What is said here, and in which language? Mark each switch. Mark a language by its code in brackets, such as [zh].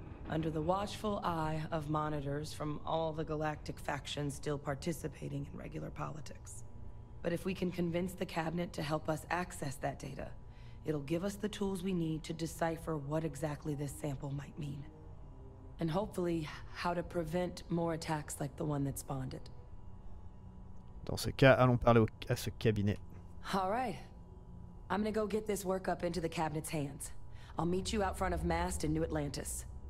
[en] Under the watchful eye of monitors from all the galactic factions still participating in regular politics. But if we can convince the Cabinet to help us access that data, it'll give us the tools we need to decipher what exactly this sample might mean. And hopefully, how to prevent more attacks like the one that spawned it. [fr] Dans ce cas, allons parler à ce cabinet. [en] All right. I'm gonna go get this work up into the cabinet's hands. I'll meet you out front of MAST in New Atlantis.